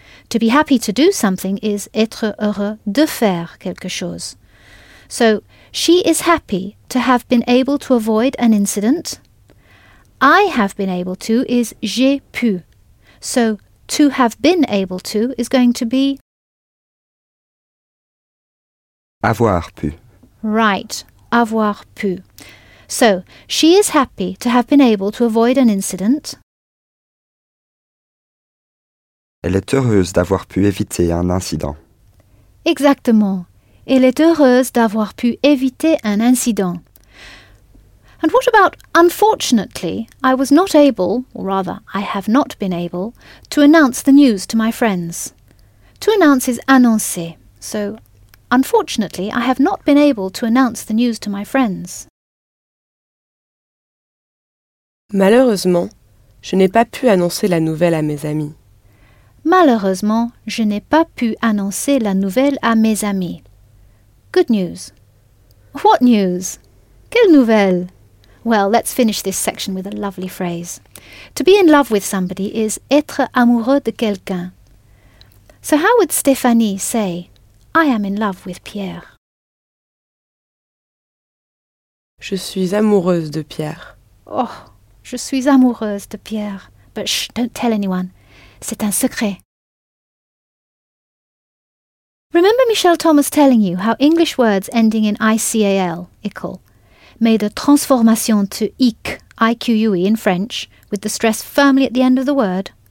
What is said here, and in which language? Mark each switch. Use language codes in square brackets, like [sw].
[en] To be happy to do something is [fr] être heureux de faire quelque chose. [en] So, she is happy to have been able to avoid an incident. I have been able to is [fr] j'ai pu. [en] So, to have been able to is going to be [fr] avoir pu. Right, avoir pu. [en] So, she is happy to have been able to avoid an incident. [fr] Elle est heureuse d'avoir pu éviter un incident. Exactement. Elle est heureuse d'avoir pu éviter un incident. [en] And what about, unfortunately, I was not able, or rather, I have not been able, to announce the news to my friends? To announce is annoncer. So, unfortunately, I have not been able to announce the news to my friends. [fr] Malheureusement, je n'ai pas pu annoncer la nouvelle à mes amis. Malheureusement, je n'ai pas pu annoncer la nouvelle à mes amis. [en] Good news. What news? [fr] Quelle nouvelle? [en] Well, let's finish this section with a lovely phrase. To be in love with somebody is [fr] être amoureux de quelqu'un. [en] So how would Stéphanie say, I am in love with Pierre? [fr] Je suis amoureuse de Pierre. Oh, je suis amoureuse de Pierre. [en] But shh, don't tell anyone. [fr] C'est un secret. [en] Remember Michel Thomas telling you how English words ending in ical, ical, made a transformation to ic, ique, in French, with the stress firmly at the end of the word?